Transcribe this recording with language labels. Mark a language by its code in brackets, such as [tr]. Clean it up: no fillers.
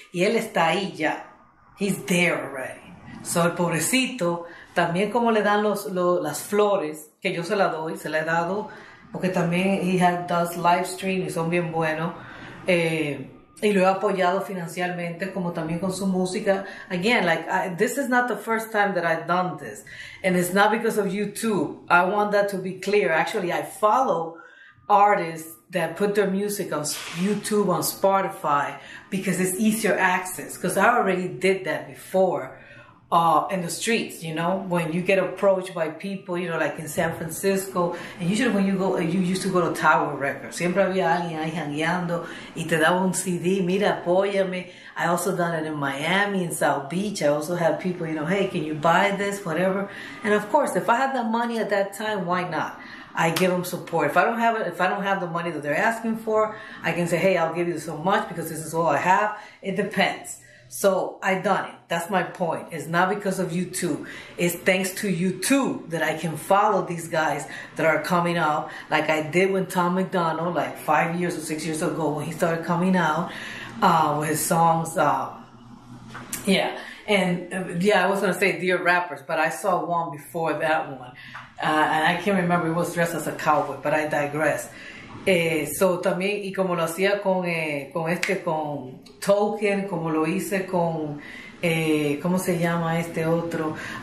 [es] Y él está ahí ya. [en] He's there already. [es] So, el pobrecito, también como le dan las flores, que yo se la doy, se la he dado, porque también [en] does live stream [es] y son bien buenos. Y lo he apoyado financieramente, como también con su música. [en] Again, like, this is not the first time that I've done this. And it's not because of YouTube. I want that to be clear. Actually, I follow artists that put their music on YouTube, on Spotify, because it's easier access. Because I already did that before in the streets, you know, when you get approached by people, you know, like in San Francisco. And usually when you go, you used to go to Tower Records. [es] Siempre había alguien ahí jangueando y te daba un CD. Mira, apóyame. [en] I also done it in Miami, in South Beach. I also have people, you know, hey, can you buy this, whatever. And of course, if I had the money at that time, why not? I give them support. If I don't have it, if I don't have the money that they're asking for, I can say, hey, I'll give you so much because this is all I have. It depends. So I done it. That's my point. It's not because of YouTube. It's thanks to YouTube that I can follow these guys that are coming out, like I did with Tom McDonald, like 5 years or 6 years ago when he started coming out with his songs. Yeah. And yeah, I was going to say Dear Rappers, but I saw one before that one. And I can't remember, it was dressed as a cowboy, but I digress. [es] So también, y como lo hacía con Token, como lo hice con, ¿cómo se llama este otro?